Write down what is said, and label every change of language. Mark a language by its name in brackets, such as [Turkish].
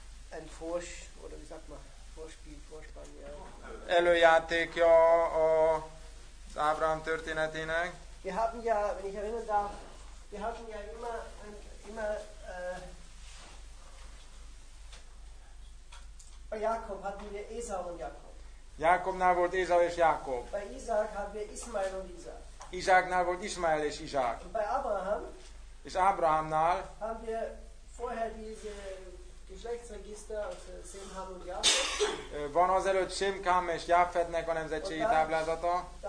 [German] Ein Vors, oder wie sagt man, Vorspiel, Vorspann, ja. [Hungarian] Előjátékja az Ábrahám történetének. [German] Wir haben ja, wenn ich erinnern darf, wir hatten ja immer Jakob hatten wir Esau und Jakob. [Hungarian] Jakobnál volt Esau és Jakob. [German] Bei Isaac haben wir Ismael und Isaac. [Hungarian] Isaacnál volt Ismael és Isaac. [German] Bei Abraham. [Hungarian] És Ábrahámnál. [German] Haben wir vorher diese Geschlechtsregister aus Sem, Ham und Jafet. [Hungarian] Van azelőtt Sem, Ham és Jafetnek a nemzetségi táblázata.